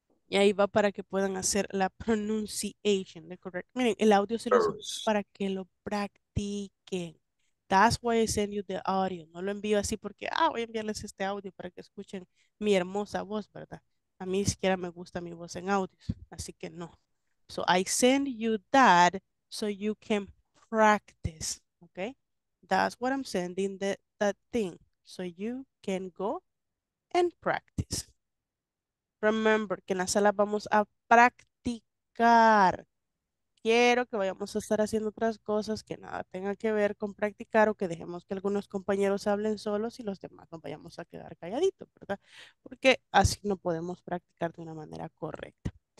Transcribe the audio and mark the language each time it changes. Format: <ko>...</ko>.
<es>Y ahí va para que puedan hacer la pronunciation, ¿de correcto? Miren, el audio se lo hace para que lo practiquen.</es> <en>That's why I send you the audio.</en> <es>No lo envío así porque, ah, voy a enviarles este audio para que escuchen mi hermosa voz, ¿verdad? A mí siquiera me gusta mi voz en audios, así que no.</es> <en>So I send you that so you can practice, okay? That's what I'm sending that thing, so you can go and practice.</en> <es>Remember que en la sala vamos a practicar. Quiero que vayamos a estar haciendo otras cosas que nada tenga que ver con practicar o que dejemos que algunos compañeros hablen solos y los demás nos vayamos a quedar calladitos, ¿verdad? Porque así no podemos practicar de una manera correcta.</es>